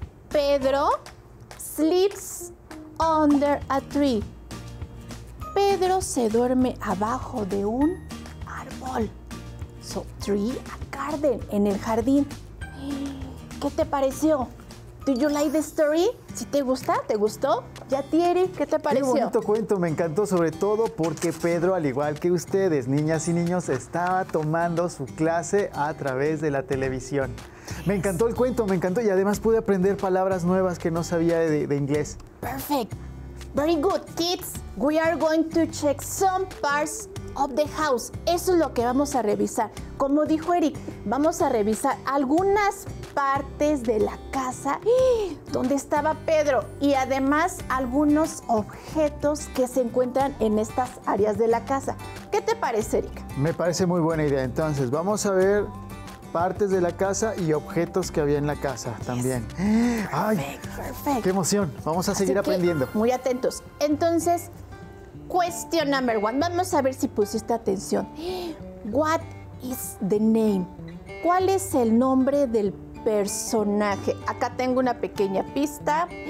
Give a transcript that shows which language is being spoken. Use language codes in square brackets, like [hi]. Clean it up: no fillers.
[en] Pedro sleeps under a tree. [es] Pedro se duerme abajo de un árbol. [en] So, tree, a garden, [es] en el jardín. ¿Qué te pareció? [en] Do you like the story? [es] ¿Si te gusta? ¿Te gustó? ¿Ya tiene? ¿Qué te pareció? Qué bonito cuento, me encantó, sobre todo porque Pedro, al igual que ustedes, niñas y niños, estaba tomando su clase a través de la televisión. Me encantó el cuento, me encantó, y además pude aprender palabras nuevas que no sabía de inglés. [en] Perfect. Very good, kids. We are going to check some parts of the house. [es] Eso es lo que vamos a revisar. Como dijo Eric, vamos a revisar algunas partes de la casa donde estaba Pedro y además algunos objetos que se encuentran en estas áreas de la casa. ¿Qué te parece, Erika? Me parece muy buena idea. Entonces, vamos a ver partes de la casa y objetos que había en la casa también. Perfecto. ¡Qué emoción! Vamos a seguir aprendiendo. Muy atentos. [en] Entonces, question number one. [es] Vamos a ver si pusiste atención. [en] What is the name? [es] ¿Cuál es el nombre del personaje? Acá tengo una pequeña pista.